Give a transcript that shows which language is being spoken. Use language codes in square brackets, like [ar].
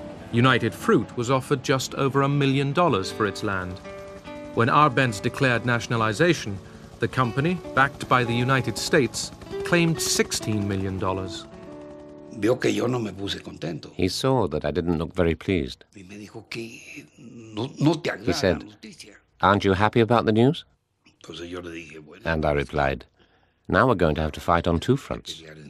[en] United Fruit was offered just over $1 million for its land. When Arbenz declared nationalization, the company, backed by the United States, claimed $16 million. [es] vio que yo no me puse contento. [en] He saw that I didn't look very pleased. [es] Y me dijo que no te agrada la noticia. [en] Aren't you happy about the news? [es] Entonces yo le dije, bueno. [en] And I replied, now we're going to have to fight on two fronts.